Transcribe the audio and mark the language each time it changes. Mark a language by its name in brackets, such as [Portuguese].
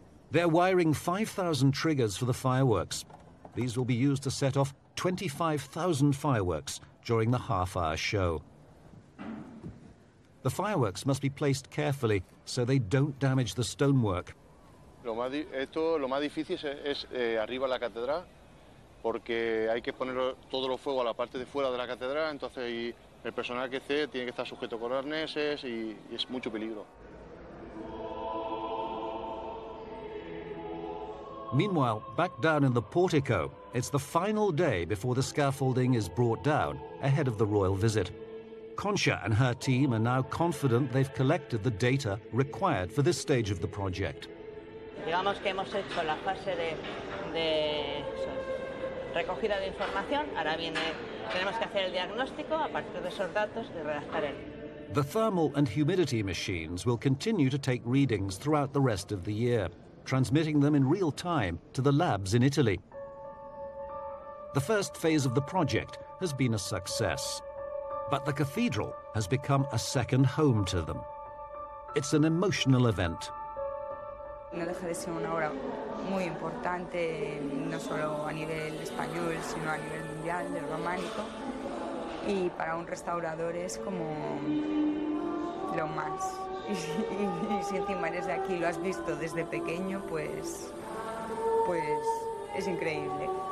[English] They're wiring 5,000 triggers for the fireworks. These will be used to set off 25,000 fireworks during the half-hour show. The fireworks must be placed carefully so they don't damage the stonework. [Spanish] Lo más difícil es arriba la catedral, porque hay que poner todo el fuego a la parte de fuera de la catedral, entonces ahí el personal que esté tiene que estar sujeto con arneses y es mucho peligro. [English] Meanwhile, back down in the portico, it's the final day before the scaffolding is brought down ahead of the royal visit. Concha and her team are now confident they've collected the data required for this stage of the project. [Spanish] Digamos que hemos hecho la fase de recogida de información. Ahora viene, tenemos que hacer el diagnóstico a partir de esos datos y redactar el. [English] The thermal and humidity machines will continue to take readings throughout the rest of the year, transmitting them in real time to the labs in Italy. The first phase of the project has been a success, but the cathedral has become a second home to them. It's an emotional event. [Spanish] No deja de ser una obra muy importante, no solo a nivel español, sino a nivel mundial, del románico. Y para un restaurador es como lo más. Y si encima eres de aquí, lo has visto desde pequeño, pues es increíble.